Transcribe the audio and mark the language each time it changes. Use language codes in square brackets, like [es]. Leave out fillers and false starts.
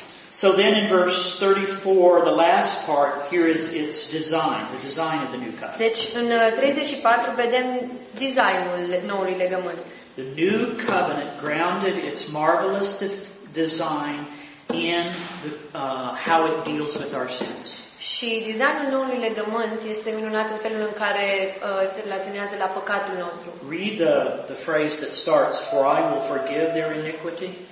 [en] So then in verse 34, the last part, here is its design, the design of the new covenant. [ro] Deci în 34 vedem designul noului legământ. [en] The new covenant grounded its marvelous design in the, how it deals with our sins. [ro] Și designul noului legământ este minunat în felul în care se relaționează la păcatul nostru. [en] Read the phrase that starts, "For I will forgive their iniquity."